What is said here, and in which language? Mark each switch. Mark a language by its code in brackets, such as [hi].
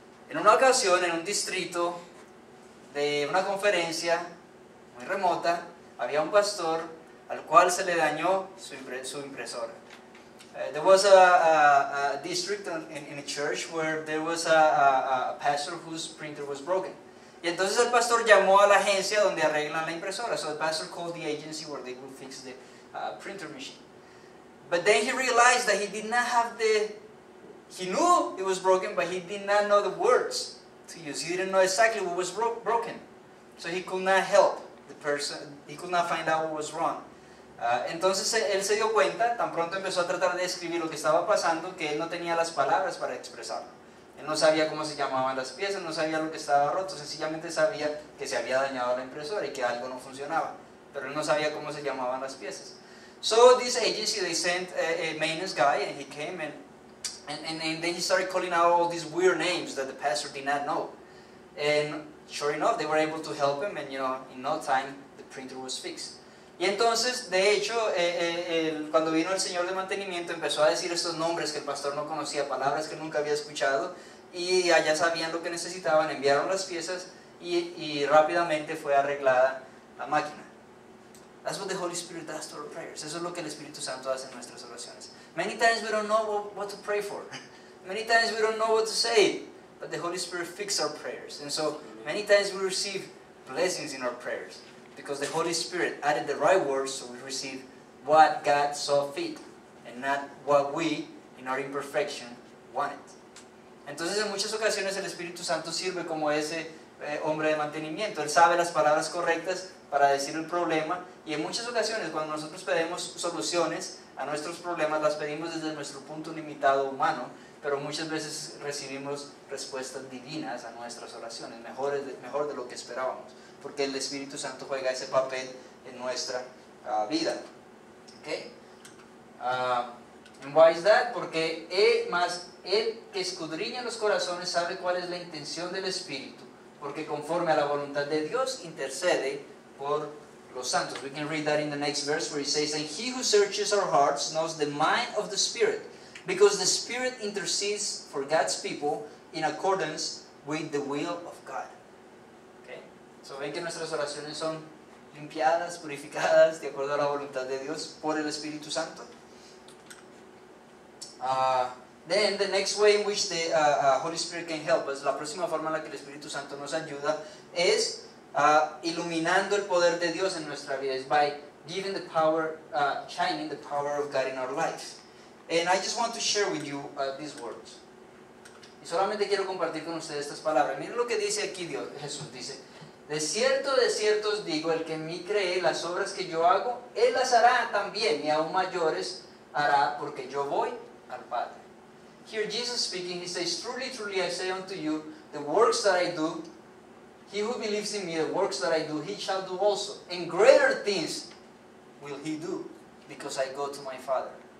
[es] En una ocasión, en un distrito de una conferencia muy remota, había un pastor al cual se le dañó su impresora. [en] There was a district in a church where there was a pastor whose printer was broken. [es] Y entonces el pastor llamó a la agencia donde arreglan la impresora. [en] So the pastor called the agency where they would fix the printer machine. But then he realized that he did not have the, he knew it was broken, but he did not know the words to use. He didn't know exactly what was broken. So he could not help the person, he could not find out what was wrong. [es] Entonces él se dio cuenta, tan pronto empezó a tratar de escribir lo que estaba pasando, que él no tenía las palabras para expresarlo. Él no sabía cómo se llamaban las piezas, no sabía lo que estaba roto, sencillamente sabía que se había dañado la impresora y que algo no funcionaba, pero él no sabía cómo se llamaban las piezas. [en] So this agency, they sent a maintenance guy, and he came, and then he started calling out all these weird names that the pastor did not know. And sure enough, they were able to help him, and you know, in no time, the printer was fixed. [es] Y entonces, de hecho, cuando vino el señor de mantenimiento, empezó a decir estos nombres que el pastor no conocía, palabras que nunca había escuchado, y allá sabían lo que necesitaban, enviaron las piezas, y rápidamente fue arreglada la máquina. [en] That's what the Holy Spirit does to our prayers. [es] Eso es lo que el Espíritu Santo hace en nuestras oraciones. [en] Many times we don't know what to pray for. Many times we don't know what to say. But the Holy Spirit fixes our prayers. And so many times we receive blessings in our prayers, because the Holy Spirit added the right words, so we receive what God saw fit, and not what we, in our imperfection, wanted. [es] Entonces en muchas ocasiones el Espíritu Santo sirve como ese hombre de mantenimiento. Él sabe las palabras correctas para decir el problema, y en muchas ocasiones cuando nosotros pedimos soluciones a nuestros problemas, las pedimos desde nuestro punto limitado humano, pero muchas veces recibimos respuestas divinas a nuestras oraciones, mejor de lo que esperábamos. porque el Espíritu Santo juega ese papel en nuestra vida. ¿Ok? [en] Why is that? [es] Porque él que escudriña los corazones sabe cuál es la intención del Espíritu, porque conforme a la voluntad de Dios intercede por los santos. [en] We can read that in the next verse where he says, and he who searches our hearts knows the mind of the Spirit, because the Spirit intercedes for God's people in accordance with the will of God. Okay. [es] So ven que nuestras oraciones son limpiadas, purificadas, de acuerdo a la voluntad de Dios por el Espíritu Santo. [en] Then the next way in which the Holy Spirit can help us, [es] la próxima forma en la que el Espíritu Santo nos ayuda es iluminando el poder de Dios en nuestra vida, [en] is by giving the power, shining the power of God in our life. And I just want to share with you these words. [es] Y solamente quiero compartir con ustedes estas palabras. Miren lo que dice aquí Dios, Jesús dice, de cierto os digo, el que en mí cree, las obras que yo hago, él las hará también, y aún mayores hará, porque yo voy al Padre. [en] Here Jesus speaking, he says, truly, truly, I say unto you, the works that I do, he who believes in me, the works that I do, he shall do also. And greater things will he do, because I go to my Father.